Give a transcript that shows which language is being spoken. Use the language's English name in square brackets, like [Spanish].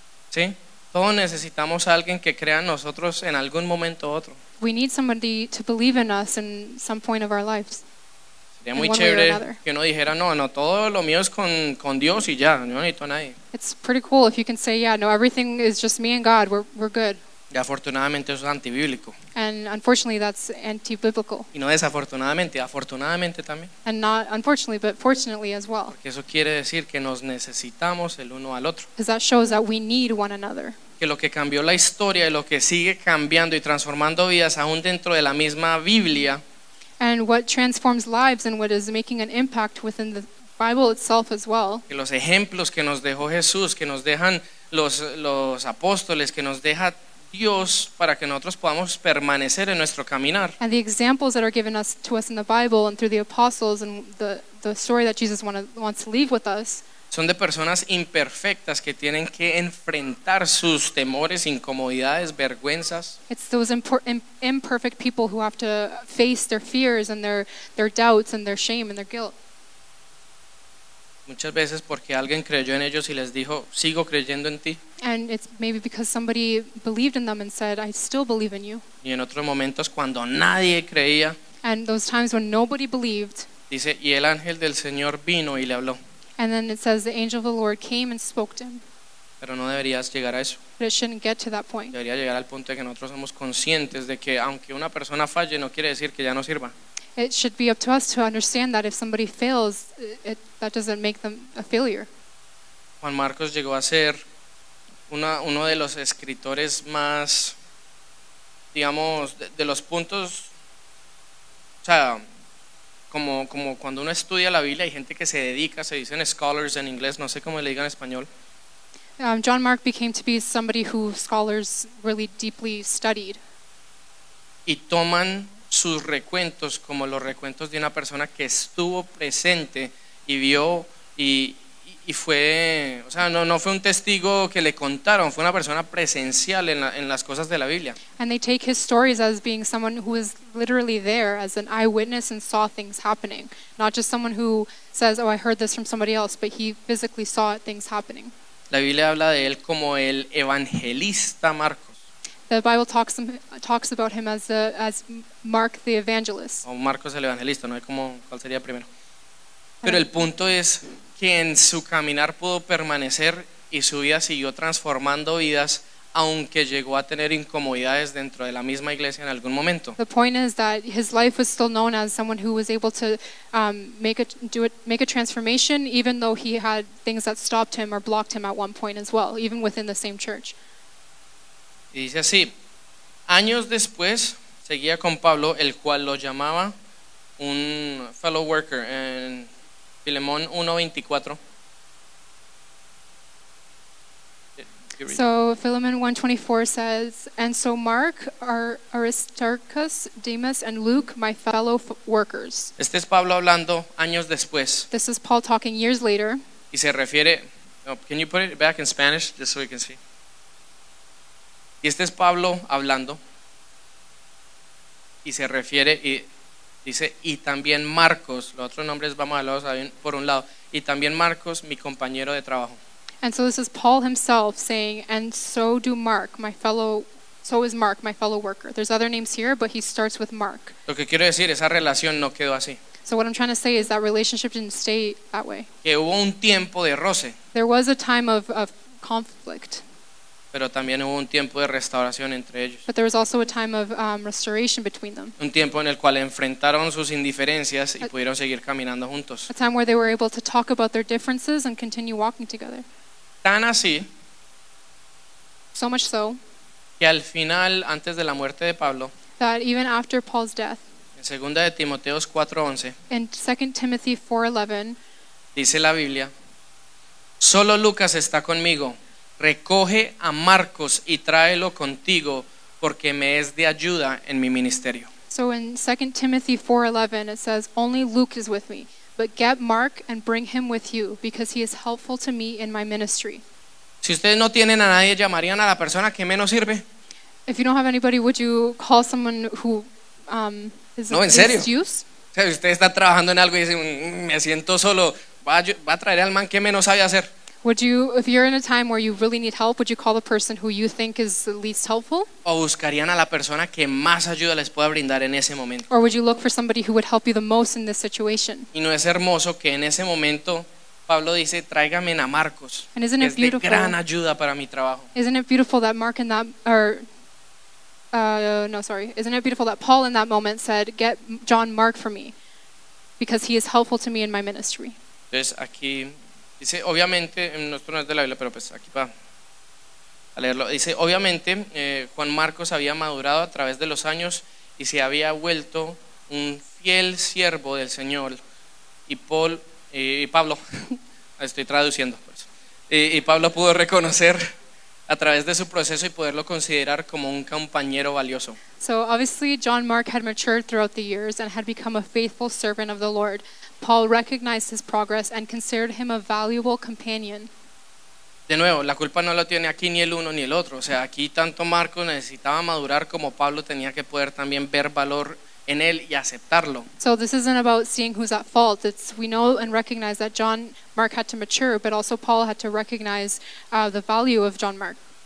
[Spanish] Sí, todos necesitamos a alguien que crea en nosotros en algún momento u otro. [English] We need somebody to believe in us in some point of our lives. [Spanish] Sería muy chévere que uno dijera, no, todo lo mío es con Dios y ya, no necesito a nadie. [English] It's pretty cool if you can say, yeah, no, everything is just me and God, we're good. [Spanish] Y afortunadamente eso es antibíblico. [English] And unfortunately that's anti-biblical. [Spanish] Y no desafortunadamente, afortunadamente también. [English] And not unfortunately, but fortunately as well. [Spanish] Porque eso quiere decir que nos necesitamos el uno al otro. [English] Because that shows that we need one another. [Spanish] Que lo que cambió la historia y lo que sigue cambiando y transformando vidas aún dentro de la misma Biblia. [English] And what transforms lives and what is making an impact within the Bible itself as well. [Spanish] Que los ejemplos que nos dejó Jesús, que nos dejan los apóstoles, que nos deja Dios para que nosotros podamos permanecer en nuestro caminar. [English] And the examples that are given to us in the Bible and through the apostles and the story that Jesus wants to leave with us. [Spanish] Son de personas imperfectas que tienen que enfrentar sus temores, incomodidades, vergüenzas. [English] It's those imperfect people who have to face their fears and their doubts and their shame and their guilt. [Spanish] Muchas veces porque alguien creyó en ellos y les dijo, sigo creyendo en ti. [English] And it's maybe because somebody believed in them and said, I still believe in you. [Spanish] Y en otros momentos cuando nadie creía. [English] And those times when nobody believed. [Spanish] Dice, y el ángel del Señor vino y le habló. [English] And then it says the angel of the Lord came and spoke to him. [Spanish] Pero no deberías llegar a eso. [English] But it shouldn't get to that point. [Spanish] Debería llegar al punto de que nosotros somos conscientes de que aunque una persona falle, no quiere decir que ya no sirva. [English] It should be up to us to understand that if somebody fails, that doesn't make them a failure. [Spanish] Juan Marcos llegó a ser uno de los escritores más, digamos, de los puntos, o sea, como cuando uno estudia la Biblia, hay gente que se dedica, se dicen scholars en inglés, no sé cómo le digan en español. [English] John Mark became to be somebody who scholars really deeply studied. [Spanish] Y toman sus recuentos como los recuentos de una persona que estuvo presente y vio y fue, o sea, no fue un testigo que le contaron, fue una persona presencial en las cosas de la Biblia. [English] And they take his stories as being someone who is literally there as an eyewitness and saw things happening, not just someone who says, oh, I heard this from somebody else, but he physically saw things happening. [Spanish] La Biblia habla de él como el evangelista Marcos. [English] The Bible talks about him as Mark the evangelist. [Spanish] O Marcos el evangelista, no sé cómo cuál sería primero. Pero el punto es que en su caminar pudo permanecer y su vida siguió transformando vidas, aunque llegó a tener incomodidades dentro de la misma iglesia en algún momento. [English] The point is that his life was still known as someone who was able to make a transformation, even though he had things that stopped him or blocked him at one point as well, even within the same church. [Spanish] Y dice así, años después seguía con Pablo, el cual lo llamaba un [English] fellow worker [Spanish] en Filemón 1:24. [English] So Philemon 1:24 says, and so Mark, Aristarchus, Demas, and Luke, my fellow workers. [Spanish] Este es Pablo hablando años después. [English] This is Paul talking years later. [Spanish] Y se refiere, [English] can you put it back in Spanish just so we can see? [Spanish] Y este es Pablo hablando y se refiere y dice, y también Marcos, los otros nombres vamos a hablarlos por un lado, y también Marcos, mi compañero de trabajo. [English] And so this is Paul himself saying, and so do Mark, my fellow, so is Mark, my fellow worker. There's other names here, but he starts with Mark. [Spanish] Lo que quiero decir, esa relación no quedó así. [English] So what I'm trying to say is that relationship didn't stay that way. [Spanish] Que hubo un tiempo de roce. [English] There was a time of conflict. [Spanish] Pero también hubo un tiempo de restauración entre ellos. [English] But there was also a time of restoration between them. [Spanish] Un tiempo en el cual enfrentaron sus indiferencias y pudieron seguir caminando juntos. [English] A time where they were able to talk about their differences and continue walking together. [Spanish] Tan así. [English] So much so. [Spanish] Que al final, antes de la muerte de Pablo. [English] That even after Paul's death. [Spanish] En 2 Timoteo 4:11. [English] In 2 Timothy 4:11. [Spanish] Dice la Biblia. Solo Lucas está conmigo. Recoge a Marcos y tráelo contigo porque me es de ayuda en mi ministerio. [English] So in 2 Timothy 4:11 it says, only Luke is with me, but get Mark and bring him with you because he is helpful to me in my ministry. [Spanish] Si ustedes no tienen a nadie, ¿llamarían a la persona que menos sirve? [English] If you don't have anybody, would you call someone who is [Spanish] no, en serio. O sea, usted está trabajando en algo y dice, me siento solo, va a traer al man que menos sabe hacer. [English] Would you, if you're in a time where you really need help, would you call the person who you think is the least helpful? [Spanish] ¿O buscarían a la persona que más ayuda les pueda brindar en ese momento? [English] Or would you look for somebody who would help you the most in this situation? [Spanish] Y no es hermoso que en ese momento Pablo dice, tráigame a Marcos. [English] And isn't it beautiful? [Spanish] Es de gran ayuda para mi trabajo. [English] Isn't it beautiful that Mark and that, or no, sorry. Isn't it beautiful that Paul in that moment said, get John Mark for me, because he is helpful to me in my ministry. [Spanish] Entonces aquí dice, obviamente, esto no es de la Biblia, pero pues aquí va a leerlo. Dice, obviamente, Juan Marcos había madurado a través de los años y se había vuelto un fiel siervo del Señor. Y Paul, Pablo, estoy traduciendo, pues. Y Pablo pudo reconocer a través de su proceso y poderlo considerar como un compañero valioso. [English] So obviously John Mark had matured throughout the years and had become a faithful servant of the Lord. Paul recognized his progress and considered him a valuable companion. [Spanish] De nuevo, la culpa no la tiene aquí ni el uno ni el otro. O sea, aquí tanto Marco necesitaba madurar como Pablo tenía que poder también ver valor en él y aceptarlo. [English] So this isn't about seeing who's at fault. It's we know and recognize that John Mark had to mature, but also Paul had to recognize the value of John Mark.